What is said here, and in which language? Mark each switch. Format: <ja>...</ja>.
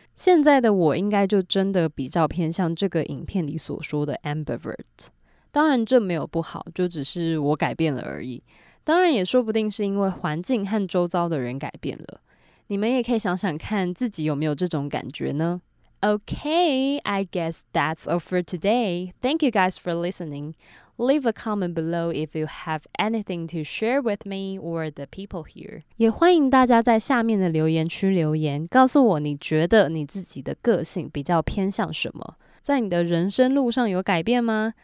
<zh>现在的我应该就真的比较偏向这个影片里所说的 ambivert。当然这没有不好，就只是我改变了而已。当然也说不定是因为环境和周遭的人改变了。你们也可以想想看自己有没有这种感觉呢？</zh> <en>Okay, I guess that's all for today. Thank you guys for listening. Leave a comment below if you have anything to share with me or the people here.</en> <zh>也欢迎大家在下面的留言区留言，告诉我你觉得你自己的个性比较偏向什么，在你的人生路上有改变吗？</zh>